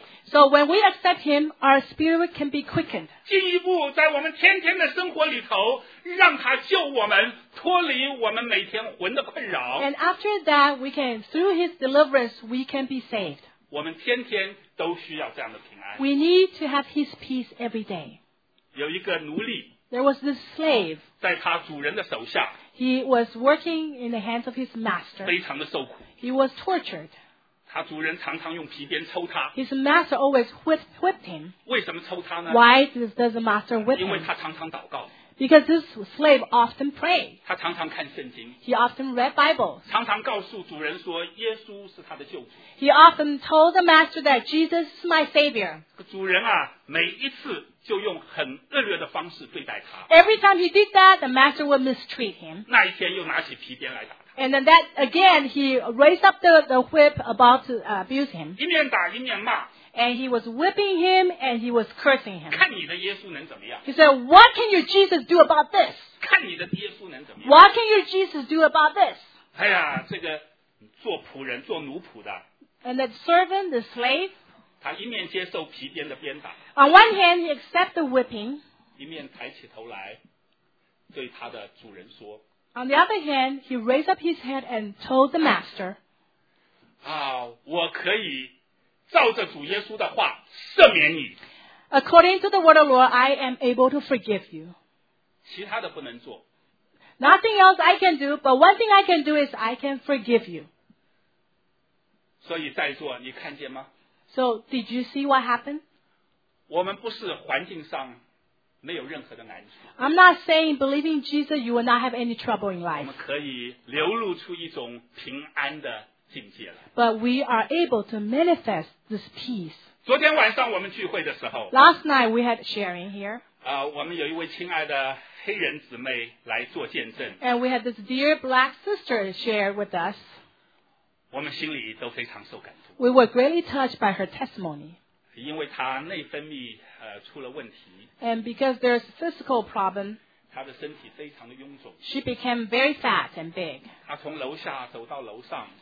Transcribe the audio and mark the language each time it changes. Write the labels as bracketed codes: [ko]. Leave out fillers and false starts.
[en] So when we accept him, our spirit can be quickened. [zh] 进一步在我们天天的生活里头让他救我们脱离我们每天魂的困扰。 [en] And after that, we can, through his deliverance, we can be saved. [zh] 我们天天都需要这样的平安。 [en] We need to have his peace every day. [zh] 有一个奴隶。 [en] There was this slave. [zh] 在他主人的手下。 [en] He was working in the hands of his master. [zh] 非常的受苦。 [en] He was tortured. [zh] 他主人常常用皮鞭抽他。 [en] His master always whipped him. [zh] 为什么抽他呢？ [en] Why does the master whip him? [zh] 因为他常常祷告。 [en] Because this slave often prayed. [zh] 他常常看圣经。 [en] He often read Bible. [zh] 常常告诉主人说耶稣是他的救主。 [en] He often told the master that Jesus is my savior. [zh] 主人啊，每一次就用很恶劣的方式对待他。 [en] Every time he did that, the master would mistreat him. [zh] 那一天又拿起皮鞭来打。 [en] And then that, again, he raised up the whip about to abuse him. [zh] 一面打一面骂。 [en] And he was whipping him and he was cursing him. [zh] 看你的耶稣能怎么样。 [en] He said, what can your Jesus do about this? [zh] 看你的耶稣能怎么样。 [en] What can your Jesus do about this? [zh] 哎呀，这个做仆人，做奴仆的。 [en] And that servant, the slave. [zh] 他一面接受皮鞭的鞭打。 [en] On one hand, he accepted the whipping. [zh] 一面抬起头来对他的主人说。 [en] On the other hand, he raised up his head and told the master, [zh] 啊，我可以照着主耶稣的话赦免你。 [en] According to the word of the Lord, I am able to forgive you. [zh] 其他的不能做。 [en] Nothing else I can do, but one thing I can do is I can forgive you. [zh] 所以在座，你看见吗？ [en] So, did you see what happened? [zh] 我们不是环境上没有任何的难处。 [en] I'm not saying believing Jesus you will not have any trouble in life. [zh] 我们可以流露出一种平安的境界来。 [en] But we are able to manifest this peace. [zh] 昨天晚上我们聚会的时候。 [en] Last night we had sharing here. [zh] 我们有一位亲爱的黑人姊妹来做见证。 [en] And we had this dear black sister share with us. [zh] 我们心里都非常受感动。 [en] We were greatly touched by her testimony. [zh] 因为他内分泌出了问题。 [en] And because there's a physical problem, [zh] 他的身体非常的臃肿。 [en] She became very fat and big. [zh] 他从楼下走到楼上。